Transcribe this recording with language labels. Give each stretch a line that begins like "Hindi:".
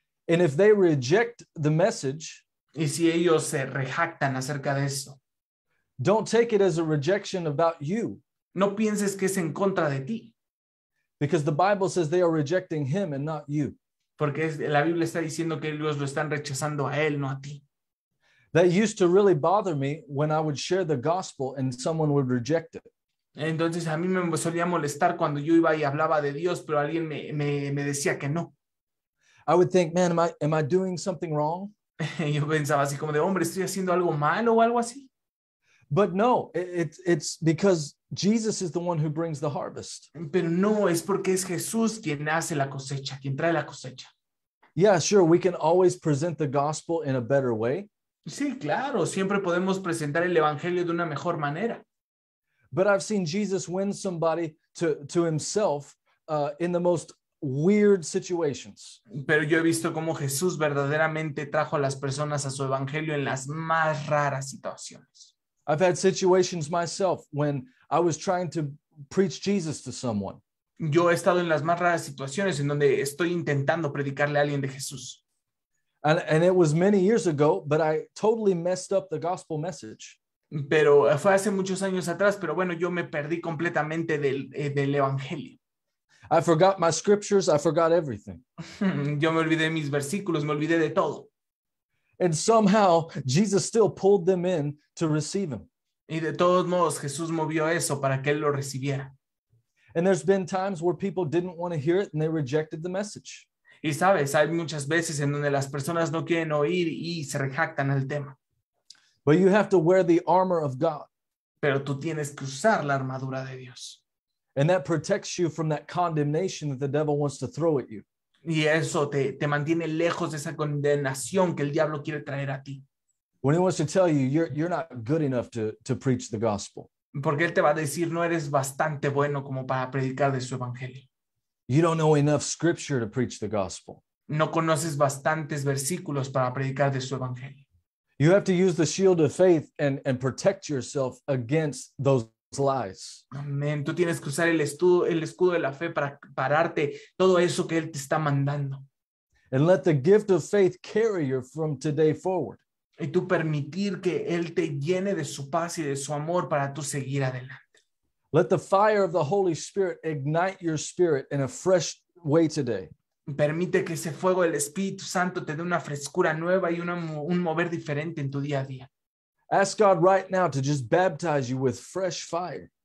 English: And if they reject the message,
Spanish: y si ellos se rejactan acerca de eso.
English: Don't take it as a rejection about you.
Spanish: No pienses que es en contra de ti.
English: Because the Bible says they are rejecting him and not you.
Spanish: Porque la Biblia está diciendo que ellos lo están rechazando a él, no a ti.
English: That used to really bother me when I would share the gospel and someone would reject it.
Spanish: Entonces a mí me solía molestar cuando yo iba y hablaba de Dios, pero alguien me decía que no.
English: I would think, man, am I doing something wrong?
Spanish: Yo pensaba así como de, hombre, ¿estoy haciendo algo malo o algo así?
English: But no, it's because Jesus is the one who brings the harvest.
Spanish: Pero no, es porque es Jesús quien hace la cosecha, quien trae la cosecha.
English: Yeah, sure, we can always present the gospel in a better way.
Spanish: Sí, claro, siempre podemos presentar el evangelio de una mejor manera.
English: But I've seen Jesus win somebody to himself in the most weird situations.
Spanish: Pero yo he visto cómo Jesús verdaderamente trajo a las personas a su evangelio en las más raras situaciones.
English: I've had situations myself when I was trying to preach Jesus to someone.
Spanish: Yo he estado en las más raras situaciones en donde estoy intentando predicarle a alguien de Jesús.
English: And it was many years ago, but I totally messed up the gospel message.
Spanish: Pero fue hace muchos años atrás, pero bueno, yo me perdí completamente del evangelio.
English: I forgot my scriptures, I forgot everything.
Spanish: Yo me olvidé mis versículos, me olvidé de todo.
English: And somehow Jesus still pulled them in to receive him.
Spanish: Y de todos modos Jesús movió eso para que él lo recibiera.
English: And there's been times where people didn't want to hear it and they rejected the message.
Spanish: Y sabes, hay muchas veces en donde las personas no quieren oír y se rejactan al tema.
English: But you have to wear the armor of God.
Spanish: Pero tú tienes que usar la armadura de Dios.
English: And that protects you from that condemnation that the devil wants to throw at you.
Spanish: Y eso te mantiene lejos de esa condenación que el diablo quiere traer a ti.
English: When he wants to tell you, you're not good enough to preach the gospel.
Spanish: Porque él te va a decir, no eres bastante bueno como para predicar de su evangelio.
English: You don't know enough scripture to preach the gospel.
Spanish: No conoces bastantes versículos para predicar de su evangelio.
English: You have to use the shield of faith and protect yourself against those lies.
Spanish: Amén. Tú tienes que usar el escudo de la fe para pararte todo eso que él te está mandando.
English: And let the gift of faith carry you from today forward.
Spanish: Y tú permitir que él te llene de su paz y de su amor para tú seguir adelante.
English: Let the fire of the Holy Spirit ignite your spirit in a fresh way today.
Spanish: Permite que ese fuego del Espíritu Santo te dé una frescura nueva y un mover diferente en tu día a día.
English: Ask God right now to just baptize you with fresh fire.